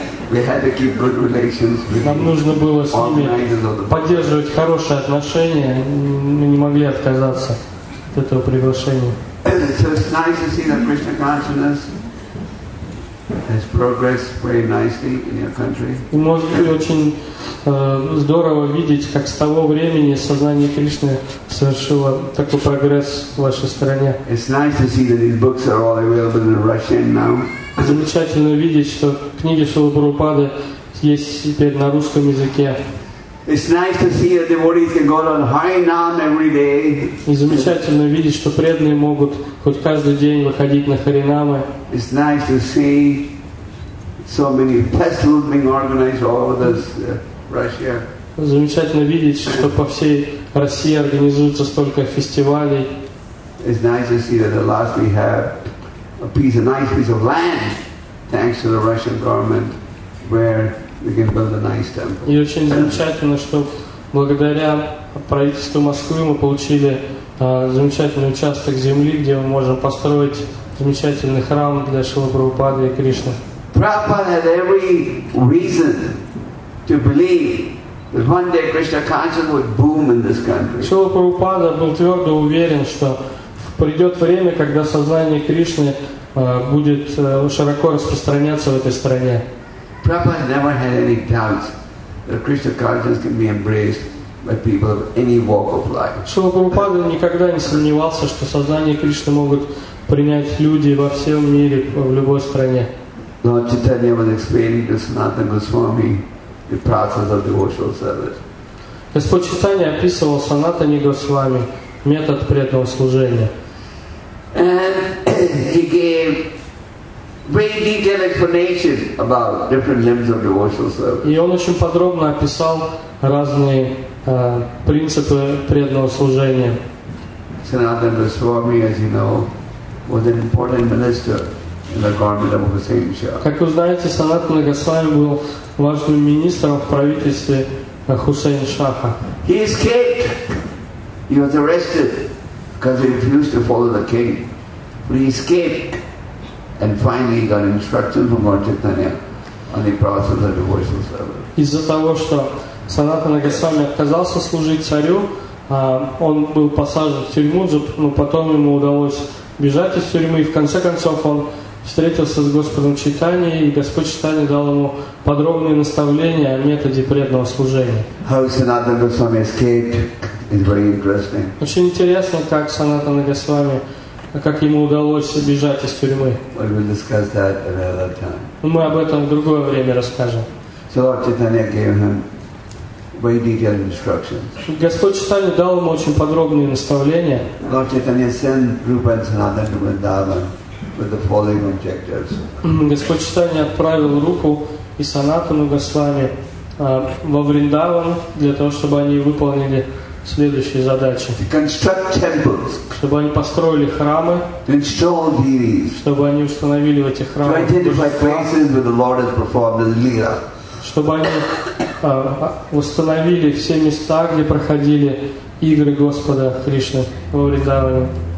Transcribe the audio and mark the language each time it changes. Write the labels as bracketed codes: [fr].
[en] We had to keep good relations with the organizers. [ru] Нам нужно было с ними поддерживать хорошие отношения. Мы не могли отказаться от этого приглашения. [en] So it's nice to see the Krishna consciousness has progressed very nicely in your country. [ru] И может быть очень здорово видеть, как с того времени сознание Кришны совершило такой прогресс в вашей стране. [en] It's nice to see that these books are all available in Russian now. [ru] Замечательно видеть, что книги Шрилы Прабхупады есть теперь на русском языке. [en] It's nice to see that devotees can go on Hari Nam every day. [ru] И замечательно видеть, что преданные могут хоть каждый день выходить на Хари Намы. [en] It's nice to see so many festivals being organized all over this Russia. [ru] Замечательно видеть, что по всей России организуется столько фестивалей. [en] It's nice to see that at last we have a nice piece of land, thanks to the Russian government, where we can build a nice temple. [ru] И очень замечательно, что благодаря правительству Москвы мы получили замечательный участок земли, где мы можем построить замечательный храм для Шрилы Прабхупады и Кришны. [en] Prabhupada had every reason to believe that one day Krishna consciousness would boom in this country. [ru] Шрила Прабхупада был твердо уверен, что придет время, когда сознание Кришны будет широко распространяться в этой стране. [en] Prabhupada never had any doubts that Krishna consciousness can be embraced by people of any walk of life. [ru] Шрила Прабхупада никогда не сомневался, что сознание Кришны могут принять люди во всем мире, в любой стране. [en] Lord Chaitanya was explaining to Sanatana Goswami the process of devotional service. [ru] Господь Чайтанья описывал Санатане Госвами метод преданного служения. [en] And he gave very detailed explanation about different limbs of devotional service. [ru] И он очень подробно описал разные принципы преданного служения. [en] Sanatana Goswami, as you know, was an important minister in the government of Hussain Shah. [ru] Как вы знаете, Санатана Госвами был важным министром в правительстве Хусейн Шаха. [en] He escaped. He was arrested because he refused to follow the king. But he escaped. And finally he got instructions from Lord Chaitanya on the process of the devotional service. [ru] Из-за того, что Санатана Госвами отказался служить царю, он был посажен в тюрьму, но потом ему удалось бежать из тюрьмы. И в конце концов он встретился с Господом Чайтани, и Господь Чайтани дал ему подробные наставления о методе преданного служения. [en] How Sanatana Goswami escaped is very interesting. [ru] Очень интересно, как Санатана Госвами, как ему удалось бежать из тюрьмы. [en] But we'll discuss that another time. [ru] Мы об этом в другое время расскажем. [en] So Lord Chaitanya gave him very detailed instructions. [ru] Господь Чайтани дал ему очень подробные наставления. [en] Lord Chaitanya sent Rupa and Sanatana to Vrindavan with the following objectives. [ru] Господь Чайтани отправил Рупу и Санатану Госвами во Вриндаван для того, чтобы они выполнили следующие задачи. [en] To construct temples. [ru] Чтобы они построили храмы. [en] To install deities. [ru] Чтобы они установили в этих храмах. [en] To identify places where the Lord has performed his lila. [ru] Чтобы они установили все места, где проходили игры Господа Кришны во Вриндаване.